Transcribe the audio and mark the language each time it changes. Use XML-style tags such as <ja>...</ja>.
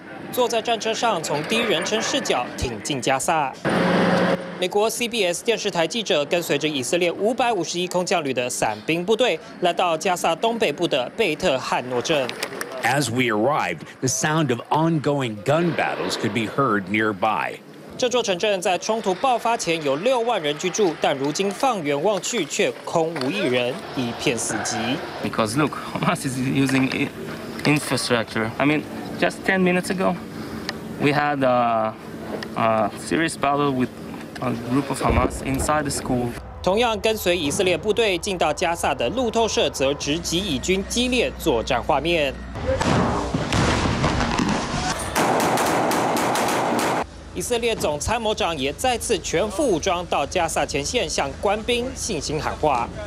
<zh>坐在战车上，从第一人称视角挺进加萨。美国 CBS 电视台记者跟随着以色列551空降旅的伞兵部队，来到加萨东北部的贝特汉诺镇。</zh> <en>As we arrived, the sound of ongoing gun battles could be heard nearby.</en> <zh>这座城镇在冲突爆发前有60000人居住，但如今放眼望去却空无一人，一片死寂。</zh> <en>Because look, Hamas is using it. Infrastructure. I mean, just 10 minutes ago, we had a serious battle with a group of Hamas inside the school.</en> <zh>同样跟随以色列部队进到加萨的路透社则直击以军激烈作战画面。以色列总参谋长也再次全副武装到加萨前线向官兵信心喊话。</zh>